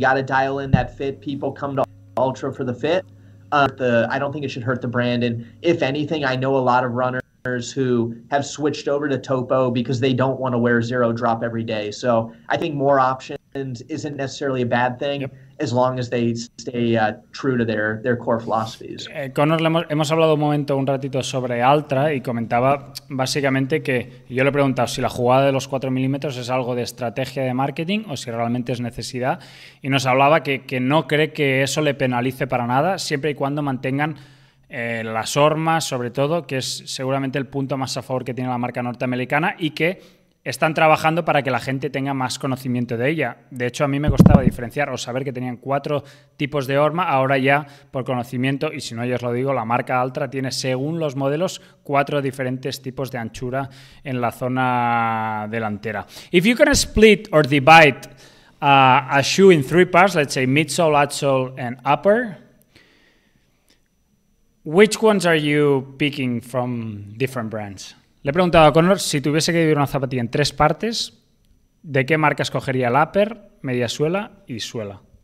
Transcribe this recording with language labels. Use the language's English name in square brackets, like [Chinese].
[English] You got to dial in that fit. People come to Ultra for the fit. I don't think it should hurt the brand. And if anything, I know a lot of runners who have switched over to Topo because they don't want to wear zero drop every day. So I think more options isn't necessarily a bad thing as long as they stay true to their core philosophies. [Spanish] Connor, hemos hablado un momento, un ratito sobre Ultra, y comentaba básicamente que yo le he preguntado si la jugada de los 4 milímetros es algo de estrategia de marketing o si realmente es necesidad, y nos hablaba que no cree que eso le penalice para nada siempre y cuando mantengan las hormas, sobre todo, que es seguramente el punto más a favor que tiene la marca norteamericana y que están trabajando para que la gente tenga más conocimiento de ella. De hecho, a mí me costaba diferenciar o saber que tenían cuatro tipos de horma. Ahora ya, por conocimiento, y si no, ya os lo digo, la marca Ultra tiene, según los modelos, cuatro diferentes tipos de anchura en la zona delantera. [English] If you can split or divide a shoe in three parts, let's say midsole, outsole, and upper, which ones are you picking from different brands? [Spanish] Le he preguntado a Connor si tuviese que dividir una zapatilla en tres partes, ¿de qué marca escogería el upper, media suela y suela?